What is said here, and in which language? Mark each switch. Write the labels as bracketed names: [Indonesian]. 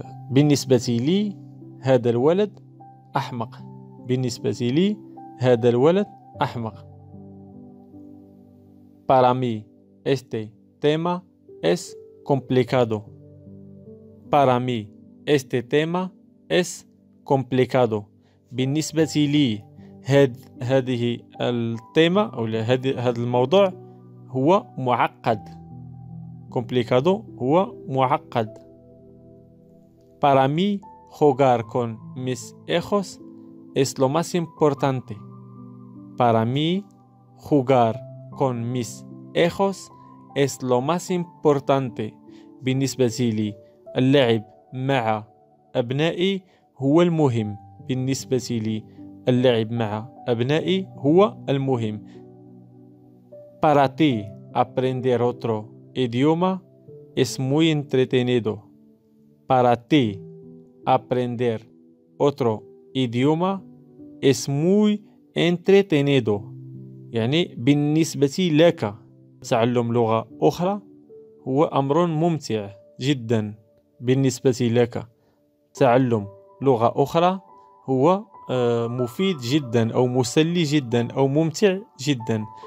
[Arabic] بالنسبة لي هذا الولد أحمق. بالنسبة لي هذا الولد أحمق. [Spanish] Para mí este tema es complicado. Para mí este tema es complicado. [Arabic] بالنسبة لي هذه التيمة أو هذا الموضوع هو معقد. Complicado هو معقد. [Spanish] Para mí jugar con mis hijos es lo más importante. Para mí jugar con mis hijos es lo más importante. [Arabic] بالنسبة لي اللعب مع أبنائي هو المهم. بالنسبة لي اللعب مع أبنائي هو المهم. [Spanish] Para ti aprender otro idioma es muy entretenido. Para ti aprender otro idioma es muy entretenido. [Arabic] يعني بالنسبة لك تعلم لغة أخرى هو أمر ممتع جدا. بالنسبة لك تعلم لغة أخرى هو مفيد جدا أو مسلي جدا أو ممتع جدا.